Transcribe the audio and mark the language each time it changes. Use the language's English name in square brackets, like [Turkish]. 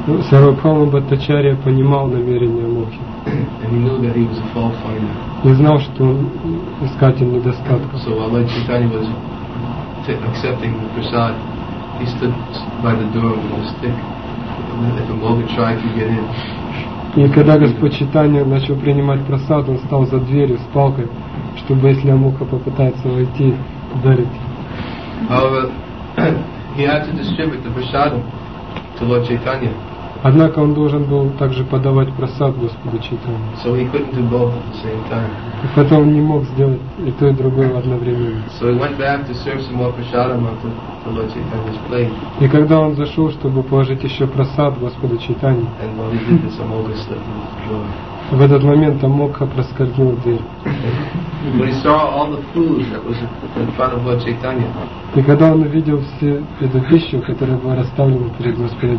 [Russian] Сарвабхаума Бхаттачарья понимал намерения Амоки. [English] And he knew that he was a fault finder. [Russian] Не знал, что он искатель недостатков. [English] So while Chaitanya was accepting the prasad, he stood by the door with a stick. If a Amoga tried to get in. [Russian] И когда Господь Чайтанья начал принимать прасад, он стал за дверью с палкой, чтобы если Амока попытается войти, ударить. [English] However, he had to distribute the prasad to Lord Chaitanya. [Russian] Однако он должен был также подавать просад Господу Чайтанье. [English] So he couldn't do both at the same time. [Russian] И потом он не мог сделать и то, и другое одновременно. [English] So he went back to serve some more prasadam on the Lord Chaitanya's plate. [Russian] И когда он зашел, чтобы положить еще просад Господу Чайтанье, [English] and while he did this, Амока stepped in the door. [Russian] В этот момент Амока проскользнул в дверь. [English] But he saw all the food that was in front of Lord Chaitanya. [Russian] И когда он увидел всю эту пищу, которая была расставлена перед Господом